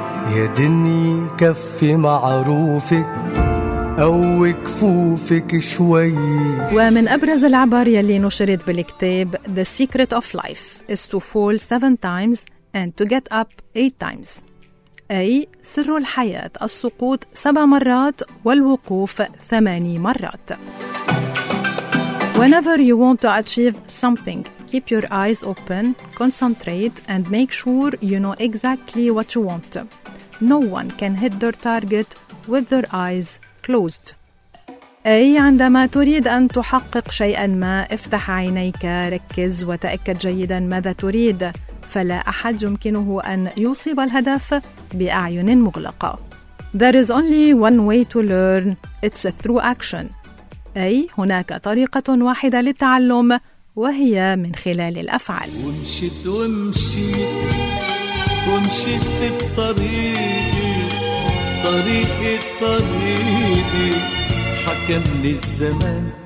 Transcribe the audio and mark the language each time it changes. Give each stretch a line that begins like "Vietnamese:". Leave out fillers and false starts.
Arabic: يا دني كفي معروفك قوي كفوفك شوي. ومن أبرز العبر يلي نشرت بالكتاب
English: The Secret of Life is to fall 7 times and to get up 8 times،
Arabic: أي سر الحياة السقوط 7 مرات والوقوف 8 مرات.
English: Whenever you want to achieve something, keep your eyes open, concentrate and make sure you know exactly what you want. No one can hit their target with their eyes closed.
Arabic: أي عندما تريد أن تحقق شيئا ما، افتح عينيك، ركز وتأكد جيدا ماذا تريد، فلا أحد يمكنه أن يصيب الهدف بأعين مغلقة.
English: There is only one way to learn. It's through action.
Arabic: أي هناك طريقة واحدة للتعلم، وهي من خلال الأفعال. ومشيت ومشيت ومشيت بطريقي طريق طريقي حكمني الزمان.